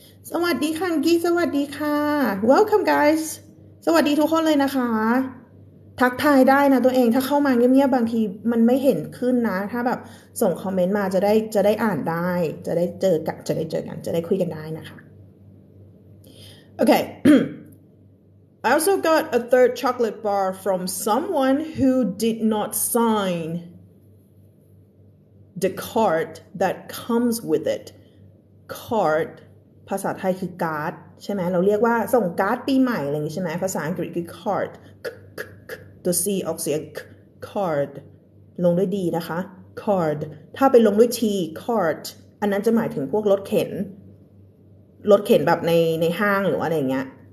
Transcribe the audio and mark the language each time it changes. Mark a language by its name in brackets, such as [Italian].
[Thai] สวัสดีค่ะกี้สวัสดีค่ะ [English] Welcome guys. [Thai] สวัสดีทุกคนเลยนะคะทักทายได้นะตัวเองถ้าเข้ามาเงียบๆบางทีมันไม่เห็นขึ้นนะถ้าแบบส่งคอมเมนต์มาจะได้อ่านได้จะได้เจอกันจะได้คุยกันได้นะคะ [English] Okay. I also got a third chocolate bar from someone who did not sign the card that comes with it. Card [Thai] ภาษาไทยคือการ์ดใช่ไหมเราเรียกว่าส่งการ์ดปีใหม่อะไรอย่างงี้ใช่ไหมภาษาอังกฤษคือ card ตัว c ออกเสียง card ลงด้วย d นะคะ card ถ้าไปลงด้วย t cart อันนั้นจะหมายถึงพวกรถเข็นรถเข็นแบบในห้างหรืออะไรอย่างเงี้ย